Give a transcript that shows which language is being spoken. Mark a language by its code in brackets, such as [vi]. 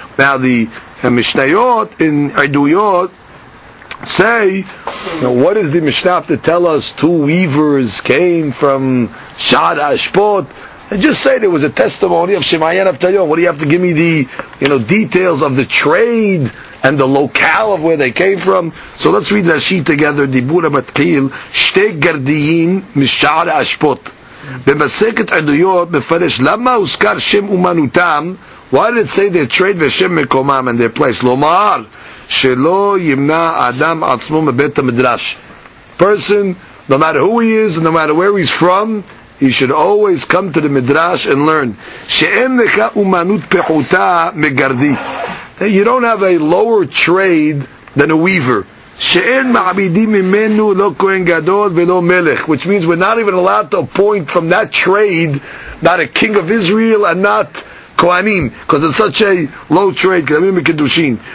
[en] Now the Mishnayot in Eduyot say, now what is the Mishnah to tell us 2 weavers came from Shad Ashpot? And just say there was a testimony of Shemayan Avtalyon. What do you have to give me the, you know, details of the trade and the locale of where they came from? So let's read Rashi together. [he] Dibura Matkil Shte Gardiyim Mishad Ashpot. במסכת עדויות מפרש למה הוזכר שם אומנותם, [en] why did it say their trade [he] ושם מקומם [en] and their place, [he] לומר שלא ימנע אדם עצמו מבית המדרש. [en] Person, no matter who he is, no matter where he's from, he should always come to the midrash and learn [he] שאין לך אומנות פחותה מגרדי. [en] You don't have a lower trade than a weaver. [he] שאין מעבידים ממנו לא כהן גדול ולא מלך, [en] which means we're not even allowed to appoint from that trade not a king of Israel and not כהנים, because it's such a low trade, [he] כי דמים מקדושים.